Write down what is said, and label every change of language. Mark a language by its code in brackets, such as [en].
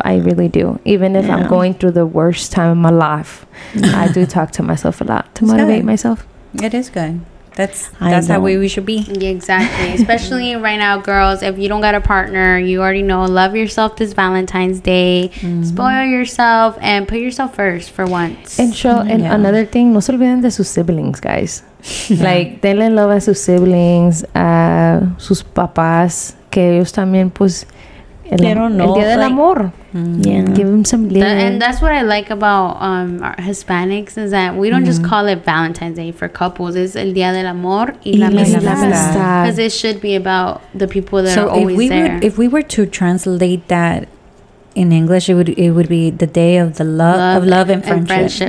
[en] I really do. Even if I'm going through the worst time of my life, I do talk to myself a lot to motivate myself. It is good. That's how we should be. Yeah, exactly. Especially right now, girls, if you don't got a partner, you already know, love yourself this Valentine's Day. Mm-hmm. Spoil yourself and put yourself first for once. And another thing, [es] no se olviden de sus siblings, guys. Like, denle love a sus siblings, a sus papás, que ellos también, pues, el día del amor. [en] Mm-hmm. Yeah. Give them some love. And that's what I like about our Hispanics, is that we don't just call it Valentine's Day for couples. It's [es] el día del amor y la amistad. [en] Because it should be about the people that are always there. If we were to translate that in English, it would be the day of the love and friendship.